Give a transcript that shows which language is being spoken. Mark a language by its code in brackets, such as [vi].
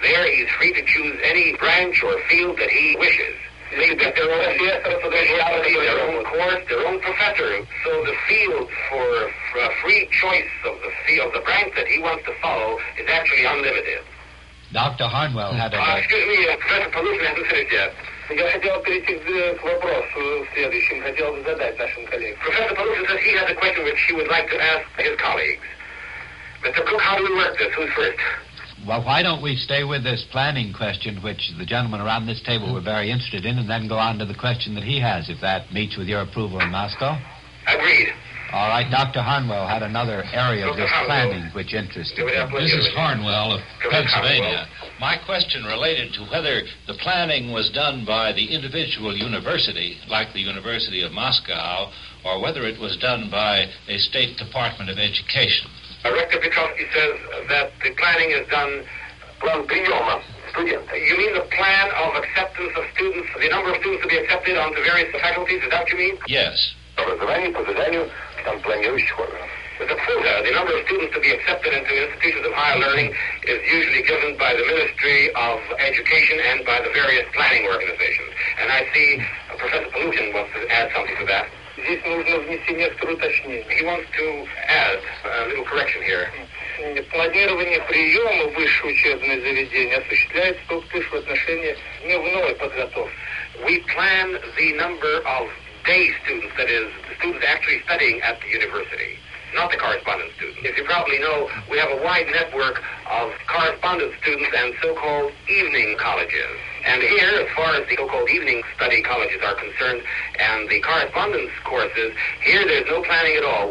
[en] There, he's free to choose any branch or field that he wishes. They get their own specialty, their own course, their own professor. So the field for free choice of the branch that he wants to follow is actually unlimited. Dr. Harnwell had a... Excuse me, Professor Palukin hasn't finished yet. [ru] Я хотел перейти к вопросу следующему. Хотел бы задать нашим коллегам. [en] Professor Palukin says he has a question which he would like to ask his colleagues. Mr. Cook, how do we work this? Who's first? Well, why don't we stay with this planning question, which the gentlemen around this table were very interested in, and then go on to the question that he has, if that meets with your approval in Moscow? Agreed. All right, Dr. Harnwell had another area of this planning which interested him. This is Harnwell of Pennsylvania. My question related to whether the planning was done by the individual university, like the University of Moscow, or whether it was done by a State Department of Education. Rector Petrovsky says that the planning is done student. You mean the plan of acceptance of students, the number of students to be accepted onto various faculties, is that what you mean? Yes. The quota, the number of students to be accepted into institutions of higher learning, is usually given by the Ministry of Education and by the various planning organizations. And I see Professor Palukin wants to add something to that. [ru] Здесь нужно внести некоторое уточнение. [en] He wants to add a little correction here. [ru] Планирование приема в высшее учебное заведение осуществляется только лишь в отношении дневной подготовки. [en] We plan the number of day students, that is, the students actually studying at the university, not the correspondence students. As you probably know, we have a wide network of correspondence students and so-called evening colleges. And here, as far as the so-called evening study colleges are concerned, and the correspondence courses, here there's no planning at all.